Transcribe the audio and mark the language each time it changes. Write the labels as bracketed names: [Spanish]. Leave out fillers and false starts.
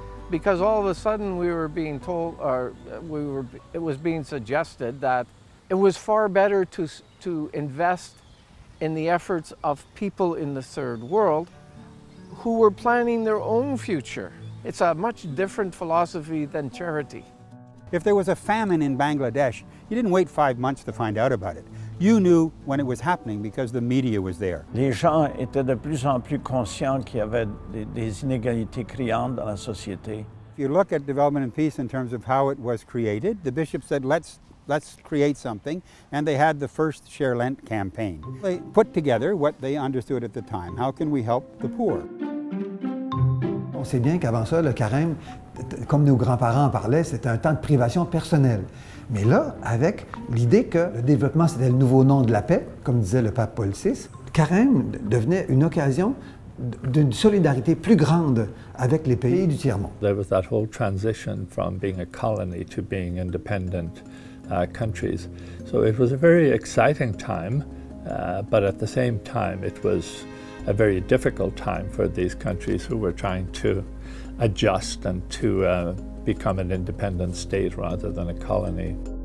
[English] Because all of a sudden we were being told, it was being suggested that it was far better to invest in the efforts of people in the third world who were planning their own future. It's a much different philosophy than charity. If there was a famine in Bangladesh, you didn't wait 5 months to find out about it. You knew when it was happening because the media was there. [French] Les gens étaient de plus en plus conscients qu'il y avait des inégalités criantes dans la société. [English] If you look at development and peace in terms of how it was created, the bishop said, let's create something, and they had the first Share Lent campaign. They put together what they understood at the time. How can we help the poor? [French] On sait bien qu'avant ça, le carême, comme nos grands-parents en parlaient, c'était un temps de privation personnelle. Mais là, avec l'idée que le développement, c'était le nouveau nom de la paix, comme disait le pape Paul VI, le carême devenait une occasion d'une solidarité plus grande avec les pays du tiers-monde. [English] There was that whole transition from being a colony to being independent countries. So it was a very exciting time, but at the same time, it was a very difficult time for these countries who were trying to adjust and to become an independent state rather than a colony.